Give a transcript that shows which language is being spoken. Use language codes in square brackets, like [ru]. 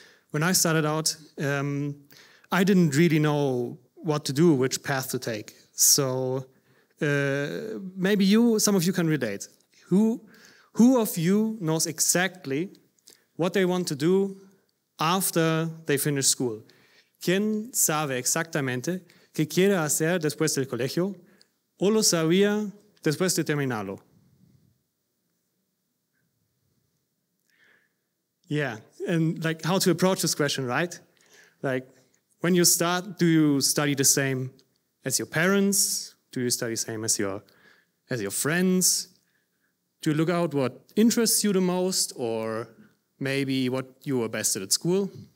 [en] When I started out, I didn't really know what to do, which path to take. So maybe some of you can relate. Who of you knows exactly what they want to do after they finish school? [es] ¿Quién sabe exactamente qué quiere hacer después del colegio o lo sabía después de terminarlo? [en] Yeah, and how to approach this question, right? When you start, do you study the same as your parents? Do you study the same as your friends? Do you look out what interests you the most, or maybe what you were best at school?